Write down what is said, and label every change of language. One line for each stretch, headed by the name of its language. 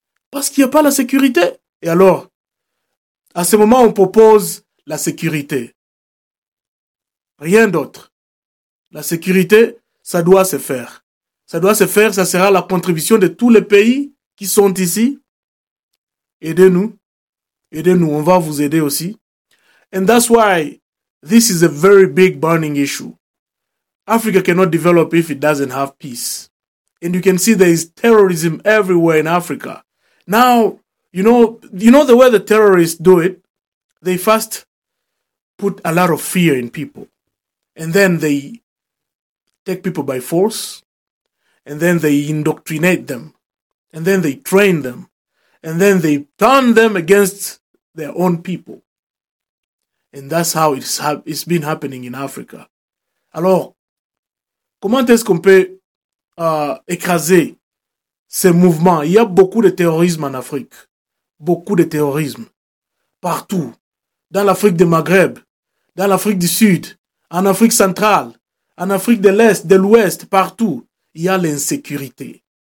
French: Parce qu'il n'y a pas la sécurité. Et alors, à ce moment, on propose la sécurité. Rien d'autre. La sécurité, ça doit se faire. Ça doit se faire, ça sera la contribution de tous les pays qui sont ici. Aidez-nous. Aidez-nous, on va vous aider aussi.
English: And that's why this is a very big burning issue. Africa cannot develop if it doesn't have peace. And you can see there is terrorism everywhere in Africa. Now, you know the way the terrorists do it? They first put a lot of fear in people. And then they take people by force. And then they indoctrinate them. And then they train them. And then they turn them against their own people. And that's how it's been happening in Africa.
French: Alors, comment est-ce qu'on peut écraser ces mouvements? Il y a beaucoup de terrorisme en Afrique. Beaucoup de terrorisme. Partout. Dans l'Afrique du Maghreb. Dans l'Afrique du Sud. En Afrique centrale, en Afrique de l'Est, de l'Ouest, partout, il y a l'insécurité.